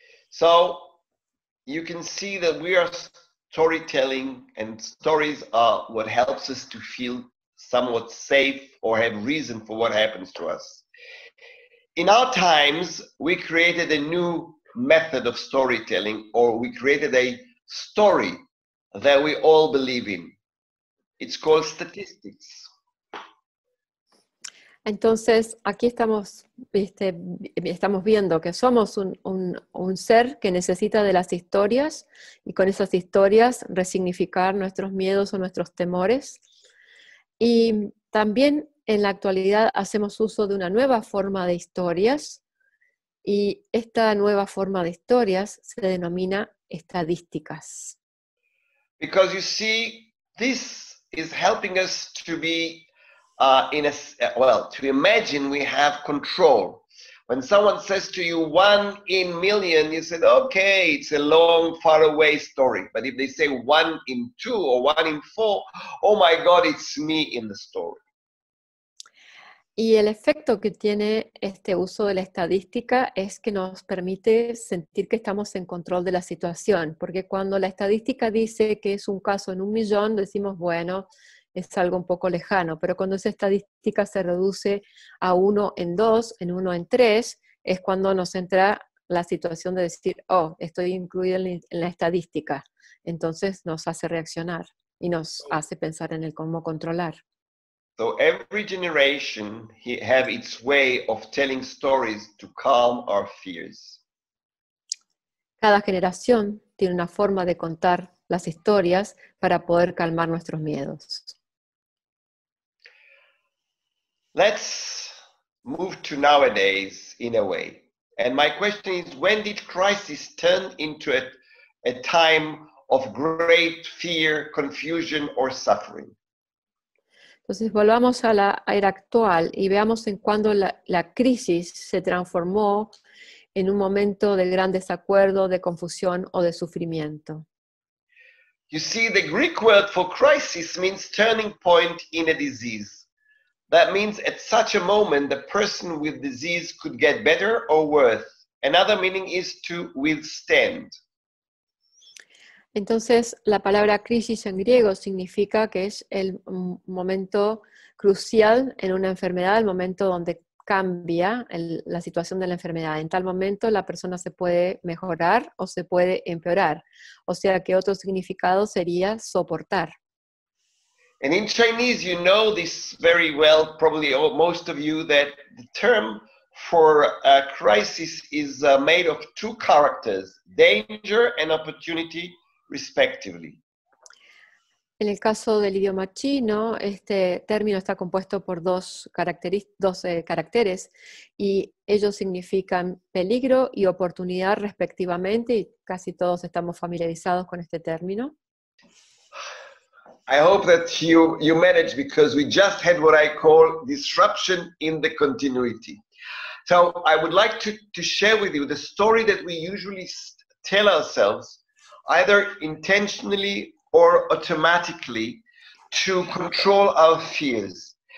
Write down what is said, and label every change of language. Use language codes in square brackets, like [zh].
[en] So you can see that we are storytelling and stories are what helps us to feel somewhat safe or have reason for what happens to us. In our times, we created a new method of storytelling, or we created a story that we all believe in. It's called statistics. [es] Entonces, aquí estamos viendo que somos un ser que necesita de las historias y con esas historias resignificar nuestros miedos o nuestros temores. Y también en la actualidad hacemos uso de una nueva forma de historias y esta nueva forma de historias se denomina estadísticas. [en] Because you see, this is helping us to be to imagine we have control. When someone says to you 1 in 1,000,000, you said, okay, it's a long, far away story. But if they say 1 in 2 or 1 in 4, oh my God, it's me in the story. [es] Y el efecto que tiene este uso de la estadística es que nos permite sentir que estamos en control de la situación. Porque cuando la estadística dice que es un caso en 1,000,000, decimos, bueno, es algo un poco lejano. Pero cuando esa estadística se reduce a 1 en 2, en 1 en 3, es cuando nos entra la situación de decir, oh, estoy incluido en la estadística. Entonces nos hace reaccionar y nos hace pensar en el cómo controlar. [en] So every generation have its way of telling stories to calm our fears. [es] Cada generación tiene una forma de contar las historias para poder calmar nuestros miedos. [en] Let's move to nowadays in a way. And my question is, when did crisis turn into a time of great fear, confusion, or suffering? [es] Entonces volvamos a la era actual y veamos en cuándo la crisis se transformó en un momento de gran desacuerdo, de confusión o de sufrimiento. [en] You see, the Greek word for crisis means turning point in a disease. That means at such a moment the person with disease could get better or worse. Another meaning is to withstand. [es] Entonces, la palabra crisis en griego significa que es el momento crucial en una enfermedad, el momento donde cambia la situación de la enfermedad. En tal momento, la persona se puede mejorar o se puede empeorar. O sea, que otro significado sería soportar. [en] And in Chinese, you know this very well, probably all, most of you, that the term for a crisis is made of two characters, danger and opportunity, respectively. [es] En el caso del idioma chino, este término está compuesto por dos caracteres y ellos significan peligro y oportunidad respectivamente, y casi todos estamos familiarizados con este término. [en] I hope that you manage, because we just had what I call disruption in the continuity. So I would like to share with you the story that we usually tell ourselves, either intentionally or automatically, to control our fears.